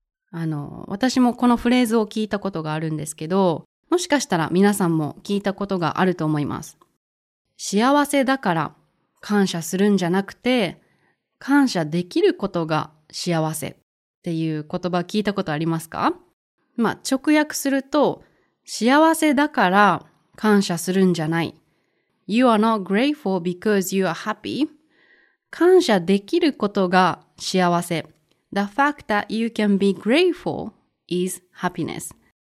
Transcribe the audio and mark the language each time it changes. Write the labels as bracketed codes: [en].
[ja] 私もこのフレーズを聞いたことがあるんですけど、もしかしたら皆さんも聞いたことがあると思います。幸せだから感謝するんじゃなくて、感謝できることが幸せっていう言葉聞いたことありますか？まあ、直訳すると、幸せだから感謝するんじゃない。 [en] You are not grateful because you are happy. [ja] 感謝できることが幸せ。 [en] The fact that you can be grateful is happiness.